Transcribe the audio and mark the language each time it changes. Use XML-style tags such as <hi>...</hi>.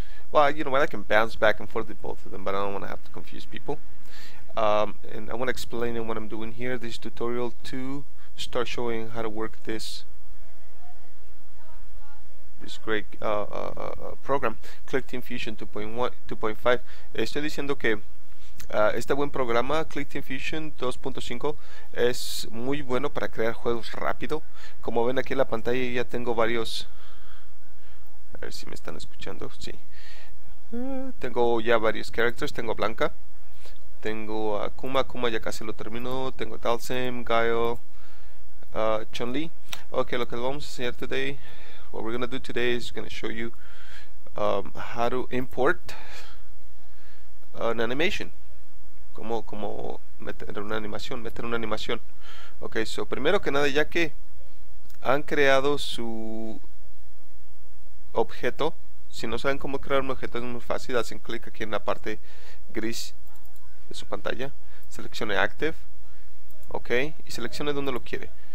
<en>Well, you know what, I can bounce back and forth with both of them, but I don't want to have to confuse people. And I want to explain what I'm doing here, this tutorial, to start showing how to work this great program, ClickTeam Fusion 2.5.</en> <es>Estoy diciendo que este buen programa, ClickTeam Fusion 2.5, es muy bueno para crear juegos rápido. Como ven aquí en la pantalla, ya tengo varios. A ver si me están escuchando. Sí. Tengo ya varios characters. Tengo a Blanca. Tengo a Kuma. Kuma ya casi lo termino. Tengo a Dalsim, Guile, Chun-Li. Ok, lo que vamos a enseñar today.</es> <en>What we're going to do today is going to show you how to import an animation.</en> <es>Como meter una animación. Ok, so primero que nada, ya que han creado su objeto, si no saben cómo crear un objeto, es muy fácil. Hacen clic aquí en la parte gris de su pantalla, seleccione Active, ok, y seleccione donde lo quiere.</es>